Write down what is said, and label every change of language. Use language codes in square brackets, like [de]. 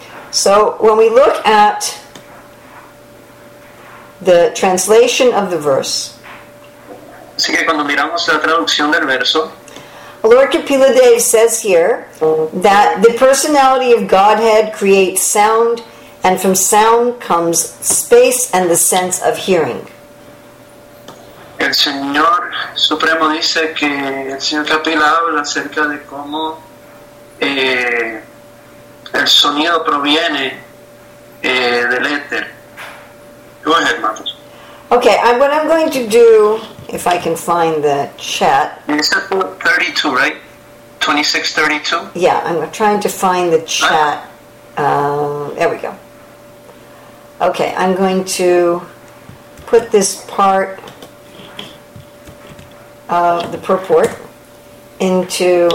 [en] So when we look at the translation of the verse, [es] así que cuando miramos la traducción del verso, [en] Lord Kapila Dev says here that the personality of Godhead creates sound, and from sound comes space and the sense of hearing. [es] El Señor Supremo dice que el Señor Kapila habla acerca de cómo el sonido proviene del éter. [en] Go ahead, Marcos. Okay, what I'm going to do, if I can find the chat. It's 32, right? 26:32? Yeah, I'm trying to find the chat. Right. There we go. Okay, I'm going to put this part of the purport into...